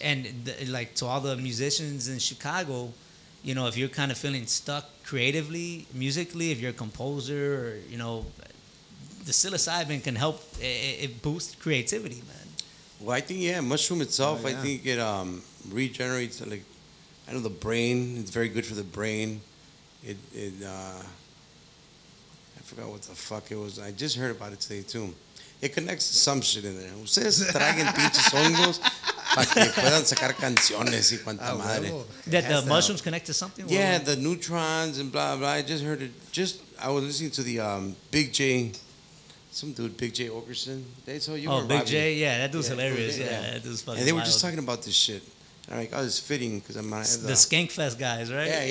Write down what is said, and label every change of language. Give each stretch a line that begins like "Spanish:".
English: And, like, to all the musicians in Chicago, you know, if you're kind of feeling stuck creatively, musically, if you're a composer, or, you know, the psilocybin can help... It boosts creativity, man. Well, I think, yeah, mushroom itself, I think it regenerates, like, I know the brain. It's very good for the brain. I forgot what the fuck it was. I just heard about it today, too. It connects some shit in there.
Spanish: Ustedes traigan pinches hongos para que puedan sacar canciones y cuanta madre.
English: That the mushrooms connect to something? Yeah, the neutrons and blah, blah. I just heard it. Just, I was listening to the Big J, some dude, Big J Okerson. They told you Big J, yeah, that dude's hilarious. Yeah, that dude's fucking And they were wild. Just talking about this shit. And I'm like, oh, it's fitting because I'm not. The Skank Fest guys, right?